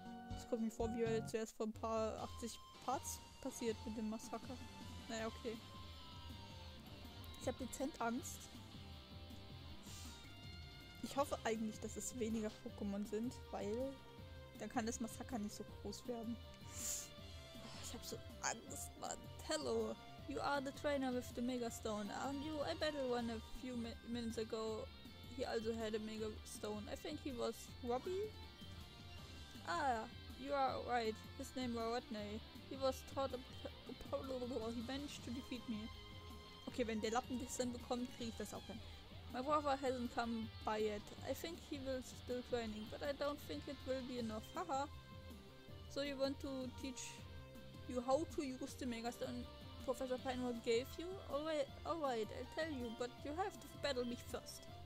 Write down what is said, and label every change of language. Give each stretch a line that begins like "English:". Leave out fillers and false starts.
German: Das kommt mir vor, wie wir zuerst vor ein paar 80 Parts passiert mit dem Massaker. Naja, okay. Ich habe dezent Angst. Ich hoffe eigentlich, dass es weniger Pokémon sind, weil dann kann das Massaker nicht so groß werden. Ich habe so Angst, Mann.
English: Hello, you are the trainer with the Mega Stone. Aren't you? I battled one a few minutes ago. He also had a Mega Stone. I think he was Robbie? Ah, you are right. His name was Rodney. He was taught a Polo. He managed to defeat me.
German: Okay, wenn der Lappen das dann bekommt, kriege ich das auch hin.
English: My brother hasn't come by yet. I think he will still training, but I don't think it will be enough. Haha. So you want to teach you how to use the Mega Stone Professor Pinewood gave you? Alright, I'll tell you, but you have to battle me first.